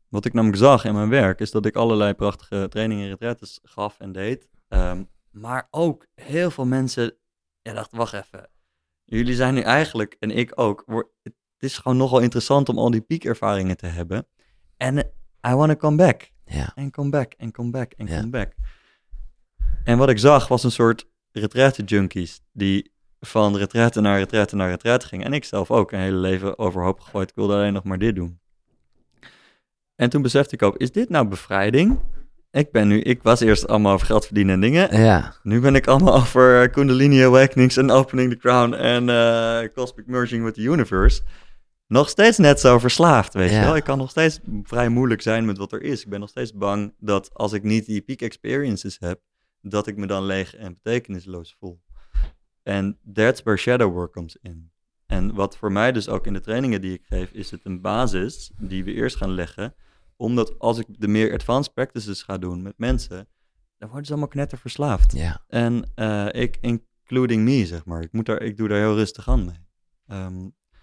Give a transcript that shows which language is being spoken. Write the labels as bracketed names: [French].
[Dutch] Wat ik namelijk zag in mijn werk, is dat ik allerlei prachtige trainingen en retretes gaf en deed. Maar ook heel veel mensen, ja, dacht, wacht even. Jullie zijn nu eigenlijk, en ik ook, het is gewoon nogal interessant om al die piekervaringen te hebben. En [English] I want to come back. Yeah. And come back, and come back, and come back. [Dutch] En wat ik zag was een soort retraite junkies die van retraite naar retraite naar retraite gingen. En ik zelf ook een hele leven overhoop gegooid. Ik wilde alleen nog maar dit doen. En toen besefte ik ook, is dit nou bevrijding? Ik was eerst allemaal over geld verdienen en dingen. Ja. Nu ben ik allemaal over Kundalini Awakenings en Opening the Crown en Cosmic Merging with the Universe. Nog steeds net zo verslaafd, weet je wel. Ik kan nog steeds vrij moeilijk zijn met wat er is. Ik ben nog steeds bang dat als ik niet die peak experiences heb, dat ik me dan leeg en betekenisloos voel. En [English] that's where shadow work comes in. [Dutch] En wat voor mij dus ook in de trainingen die ik geef, is het een basis die we eerst gaan leggen. Omdat als ik de meer advanced practices ga doen met mensen, dan worden ze allemaal knetter verslaafd. [English] Yeah. [Dutch] En ik, [English] including me, [Dutch] zeg maar. Ik doe daar heel rustig aan mee.